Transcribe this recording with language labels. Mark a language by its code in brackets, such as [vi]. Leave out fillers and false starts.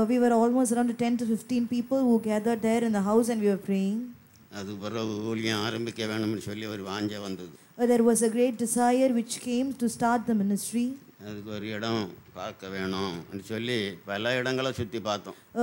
[en] We were almost around 10-15 people who gathered there in the house and we were praying. [ta] அது பிறகு ஊழியம் ஆரம்பிக்க வேணும்னு சொல்லி ஒரு வாஞ்ச வந்தது. [en] There was a great desire which came to start the ministry. [ta] அதுக்கு ஒரு இடம் பார்க்க வேணும்னு சொல்லி பல இடங்களை சுற்றி பார்த்தோம்.